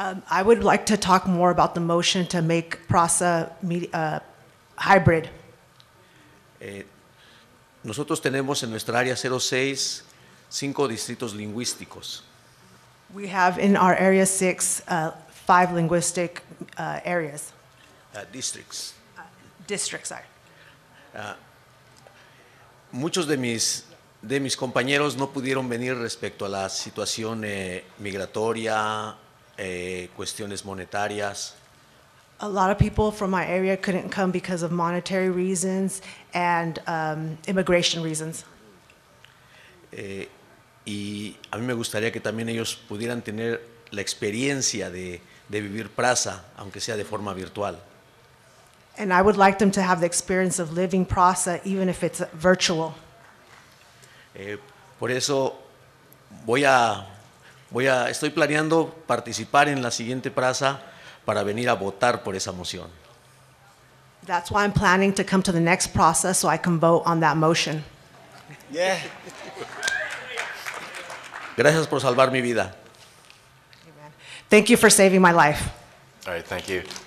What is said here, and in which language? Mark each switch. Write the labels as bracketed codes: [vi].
[en] I would like to talk more about the motion to make PRASA hybrid. [es] Nosotros tenemos en nuestra área 06 cinco distritos lingüísticos. [en] We have in our area 6 five linguistic areas. Districts. Districts, sorry. [es] Muchos de mis compañeros no pudieron venir respecto a la situación migratoria, cuestiones monetarias. [en] A lot of people from my area couldn't come because of monetary reasons and immigration reasons. [es] Y a mí me gustaría que también ellos pudieran tener la experiencia de vivir PRASA, aunque sea de forma virtual. [en] And I would like them to have the experience of living PRASA, even if it's virtual. [es] Por eso estoy planeando participar en la siguiente PRASA para venir a votar por esa moción. [en] That's why I'm planning to come to the next PRASA so I can vote on that motion. Yeah. [es] Gracias por salvar mi vida. [en] Amen. Thank you for saving my life. All right, thank you.